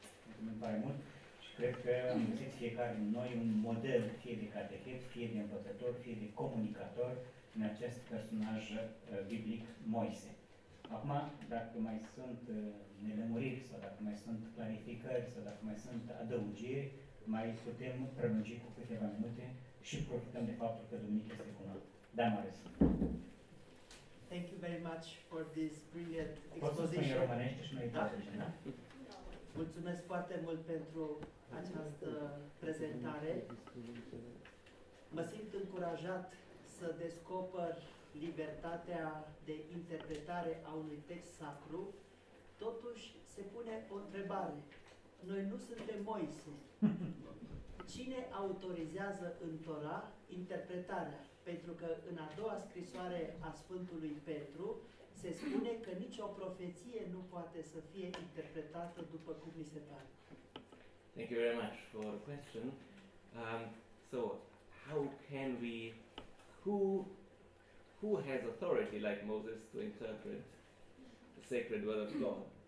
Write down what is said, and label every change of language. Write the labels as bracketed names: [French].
[Romanian] Mulțumim foarte mult și cred că am găsit fiecare din noi un model, fie de catehet, fie de învățător, fie de comunicator în acest personaj biblic Moise. Acum, dacă mai sunt nelămuriri sau dacă mai sunt clarificări sau dacă mai sunt adăugiri, mai putem prelungi cu câteva minute și profităm de faptul că Duminica este cu noi. Da, Marius. [English] Thank you very much for this brilliant exposition. [Romanian] Poți să spui în românește și noi da? Da. Mulțumesc foarte mult pentru această prezentare. Mă simt încurajat să descoper libertatea de interpretare a unui text sacru. Totuși, se pune o întrebare. Noi nu suntem Moise. Cine autorizează în Torah interpretarea? Pentru că în a doua scrisoare a Sfântului Petru se spune că nicio profeție nu poate să fie interpretată după cum ni se pare. [English] Thank you very much for the question. So, how can we, who has authority like Moses to interpret the sacred word of God?